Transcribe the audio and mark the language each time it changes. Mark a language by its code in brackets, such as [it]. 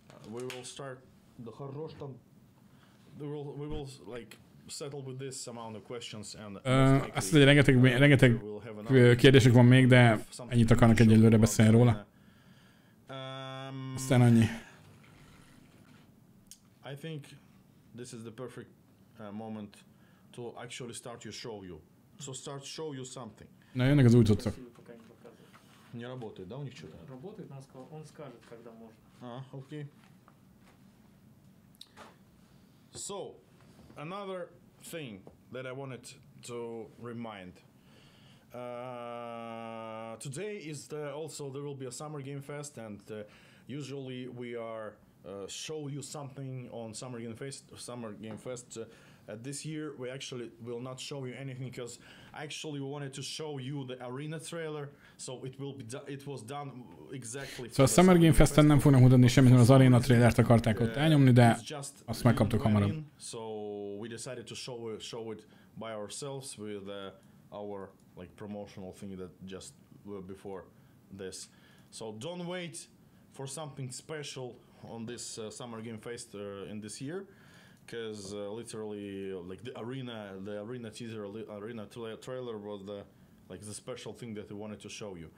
[en] We will start the [ru] хорош там. [en] We will like settle with this amount of questions and [hu] azt mondja, rengeteg kérdések van még, de ennyit akarnak egyelőre beszélni róla. Aztán annyi. [en] I think this is the perfect moment to actually start your show. You so start show you something. [ru] На я не газую тут так. Не работает, да, у них что-то. Работает, нам сказал, он скажет, когда можно. А, окей. [en] So another thing that I wanted to remind. Today is the also there will be a summer game fest, and usually we are. Show you something on Summer Game Fest. This year we actually will not show you anything because actually we wanted to show you the arena trailer. So it will be it was done exactly. [hu] So a Summer Game Fest nem fognak mutatni semmit, mert az arena trailert akarták ott elnyomni, de azt megkaptuk hamarabb. [en] So we decided to show it by ourselves with our like promotional thing that just before this. So don't wait for something special on this Summer Game Fest in this year, because literally like the arena trailer was the like the special thing that we wanted to show you.